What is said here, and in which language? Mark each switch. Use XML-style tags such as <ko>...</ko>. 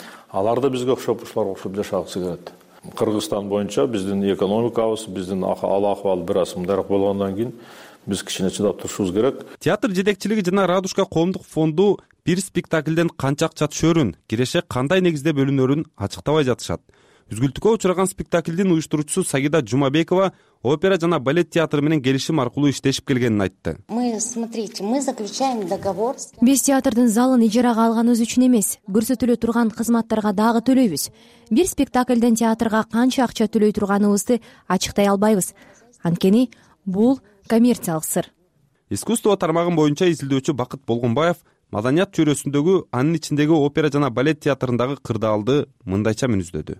<ky>Алар да бизге окшоп, ушулар окшоп жашагысы келет. Кыргызстан боюнча биздин экономикабыз, биздин ал-акыбал бир аз мындайрак болгондон кийин биз кичине чыдап турушубуз керек. Театр жетекчилиги жана Радужка коомдук фонду бир спектаклден канча акча түшөрүн, киреше кандай негизде бөлүнөрүн ачыктабай жатышат. Үзгүлтүккө учураган спектакльдин уюштуруучусу Сагида Жумабекова опера жана балет театры менен келишим аркылуу иштешип келгенин айтты.</ky> <ru>Мы, смотрите, мы заключаем договор.</ru> <ky>Биз театрдын залын ижарага алганыбыз үчүн эмес, көрсөтүлө турган кызматтарга дагы төлөйбүз. Бир спектакльден театрга канча акча төлөй турганыбызды ачыктай албайбыз. Анткени бул коммерциялык сыр. Искусство тармагы боюнча изилдөөчү Бакыт Болгонбаев маданият чөйрөсүндөгү, анын ичиндеги опера жана балет театрындагы кырдаалды мындайча мүнөздөдү.</ky>